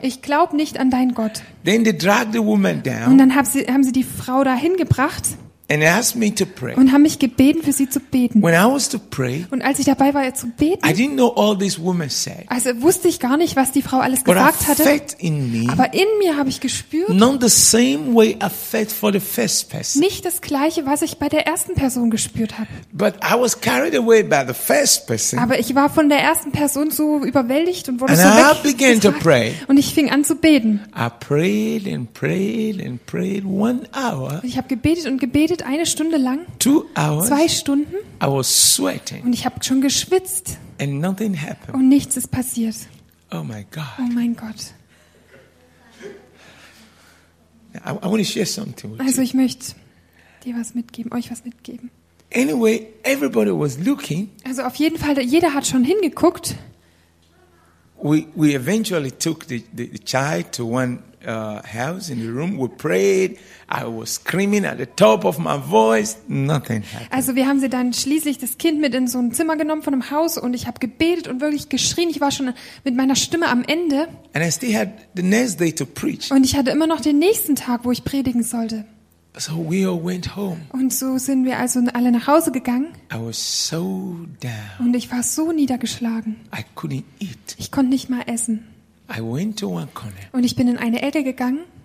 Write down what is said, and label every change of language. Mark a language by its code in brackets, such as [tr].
[de] Ich glaube nicht an deinen Gott. [en] Then they dragged the woman down, [de] und dann haben sie die Frau dahin gebracht, [en] and asked me to pray. [de] Und haben mich gebeten, für sie zu beten. [en] When I was to pray, [de] und als ich dabei war, ihr zu beten, [en] I didn't know all this woman said. [de] Also wusste ich gar nicht, was die Frau alles gesagt hatte. [en] But I felt in me, [de] aber in mir habe ich gespürt, [en] not the same way I felt for the first person. [de] Nicht das Gleiche, was ich bei der ersten Person gespürt habe. [en] But I was carried away by the first person. [de] Aber ich war von der ersten Person so überwältigt und wurde [en] and so I began to pray. [de] Und ich fing an zu beten. [en] I prayed and prayed and prayed 1 hour. [de] Und ich habe gebetet und gebetet. Eine Stunde lang, [en] 2 hours, [de] 2 Stunden, [en] I was sweating, [de] und ich habe schon geschwitzt, [en] and nothing happened, [de] und nichts ist passiert. [en] Oh my God. [de] Oh mein Gott. [en] I want to share something with [de] also [en] you. [de] Ich möchte dir was mitgeben, euch was mitgeben. [en] Anyway, everybody was looking. Also auf jeden Fall, jeder hat schon hingeguckt. We eventually took the child to one house in the room. We prayed. I was screaming at the top of my voice. Nothing happened. [de] Also wir haben sie dann schließlich das Kind mit in so ein Zimmer genommen von einem Haus, und ich habe gebetet und wirklich geschrien. Ich war schon mit meiner Stimme am Ende. [en] And I still had the next day to preach. [de] Und ich hatte immer noch den nächsten Tag, wo ich predigen sollte. [en] So we all went home. [de] Und so sind wir also alle nach Hause gegangen. [en] I was so down. [de] Und ich war so niedergeschlagen. [en] I couldn't eat. [de] Ich konnte nicht mal essen. [en] I went to one corner. [de] Und ich bin in eine Ecke gegangen.